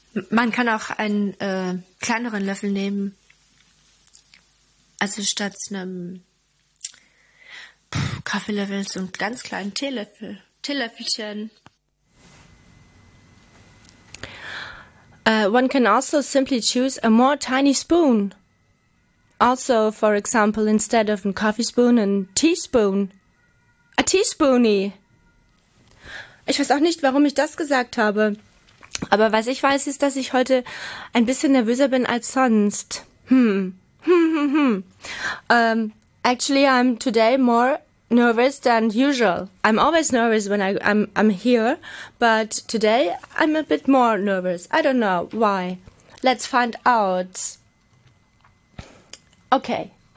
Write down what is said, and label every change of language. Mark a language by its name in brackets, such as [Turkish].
[German] Man kann auch einen kleineren Löffel nehmen. Also statt einem Kaffeelöffel so einen ganz kleinen Teelöffel. Teelöffelchen. [English] One can also simply choose a more tiny spoon. Also, for example, instead of a coffee spoon, a teaspoon. A teaspoony. [German] Ich weiß auch nicht, warum ich das gesagt habe. Aber was ich weiß, ist, dass ich heute ein bisschen nervöser bin als sonst. [English] Actually, I'm today more nervous than usual. I'm always nervous when I'm here, but today I'm a bit more nervous. I don't know why. Let's find out. Okay.